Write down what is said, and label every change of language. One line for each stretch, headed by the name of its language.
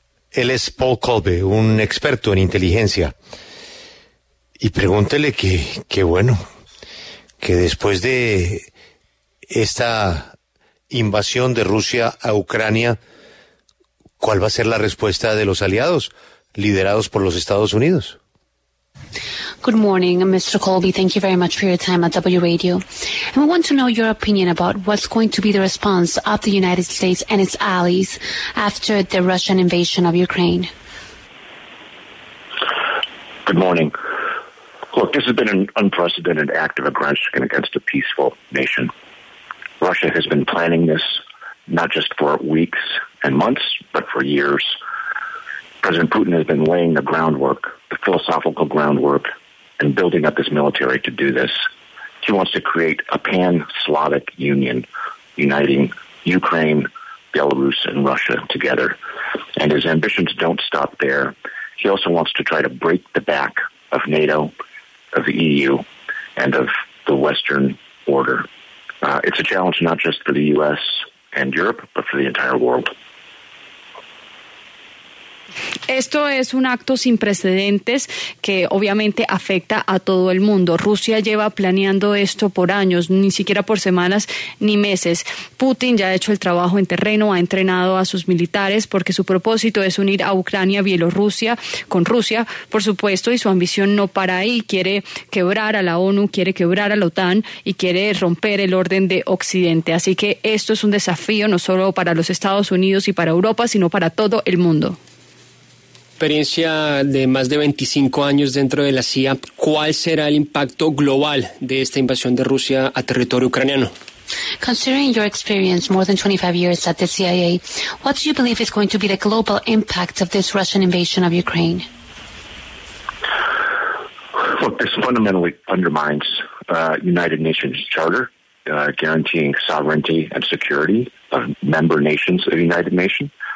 Spanish: Él es Paul Kolbe, un experto en inteligencia. Y pregúntele que bueno, que después de esta invasión de Rusia a Ucrania, ¿cuál va a ser la respuesta de los aliados liderados por los Estados Unidos?
English: Good morning, Mr. Kolbe. Thank you very much for your time at W Radio. And we want to know your opinion about what's going to be the response of the United States and its allies after the Russian invasion of Ukraine. Good morning. Look, this has been an unprecedented act of aggression against a peaceful nation. Russia has been planning this not just for weeks and months, but for years. President Putin has been laying the groundwork, the philosophical groundwork, and building up his military to do this. He wants to create a pan-Slavic union, uniting Ukraine, Belarus, and Russia together. And his ambitions don't stop there. He also wants to try to break the back of NATO, of the EU, and of the Western order. It's a challenge not just for the U.S. and Europe, but for the entire world.
Spanish: Esto es un acto sin precedentes que obviamente afecta a todo el mundo. Rusia lleva planeando esto por años, ni siquiera por semanas ni meses. Putin ya ha hecho el trabajo en terreno, ha entrenado a sus militares porque su propósito es unir a Ucrania, Bielorrusia con Rusia, por supuesto, y su ambición no para ahí. Quiere quebrar a la ONU, quiere quebrar a la OTAN y quiere romper el orden de Occidente. Así que esto es un desafío no solo para los Estados Unidos y para Europa, sino para todo el mundo. Experiencia de más de 25 años dentro de la CIA, ¿cuál será el impacto global de esta invasión de Rusia a territorio ucraniano?
English: Considering your experience more than 25 years at the CIA, what do you believe is going to be the global impact of this Russian invasion of Ukraine? Look, this fundamentally undermines United Nations Charter, guaranteeing sovereignty and security of member nations of the United Nations.